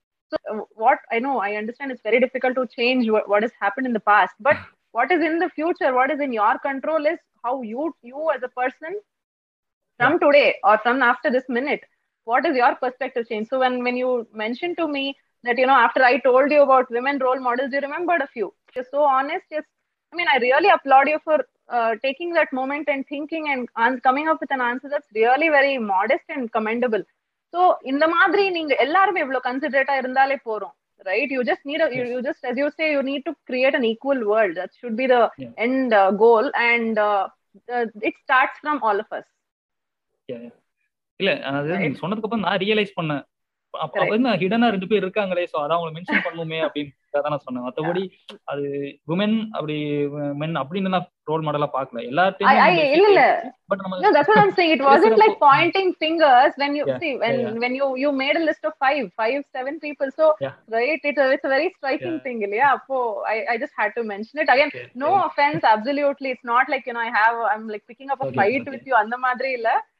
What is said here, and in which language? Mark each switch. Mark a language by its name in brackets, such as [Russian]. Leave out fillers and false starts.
[English] So what I know, I understand it's very difficult to change what has happened in the past, but what is in the future, what is in your control is how you as a person from today or from after this minute, what is your perspective change? So when you mentioned to me that, you know, after I told you about women role models, you remembered a few. You're so honest. Yes. I mean, I really applaud you for taking that moment and thinking and coming up with an answer that's really very modest and commendable. [Tamil] So இந்த மாதிரி நீங்க எல்லாருமே இவ்வளவு கன்சிடரேட்டா இருந்தாலே போறோம், right? [English] you just need you just as you say you need to create an equal world, that should be the end goal and it starts from all of us [Tamil] இல்ல அது நீங்க சொன்னதுக்கு அப்புறம் நான் ரியலைஸ் பண்ணேன், அப்ப என்ன ஹிடனா ரெண்டு பேர் இருக்காங்களே, ஸோ அதான் அவங்களை மென்ஷன் பண்ணுமே அப்படின்னு தான் நான் சொன்னேன். மற்றபடி அது women அப்படி men அப்படின்னு நான் ரோல் மாடலா பார்க்கல எல்லார்ட்டையும் இல்ல. [English] No, that's what I'm saying. It wasn't like pointing fingers when you when you made a list of five, seven people. So, right, it's a very striking thing. Yeah, so I just had to mention it. Again, no offense, absolutely. It's not like, you know, I'm like picking up a fight with you. [Tamil] Andha madri illa.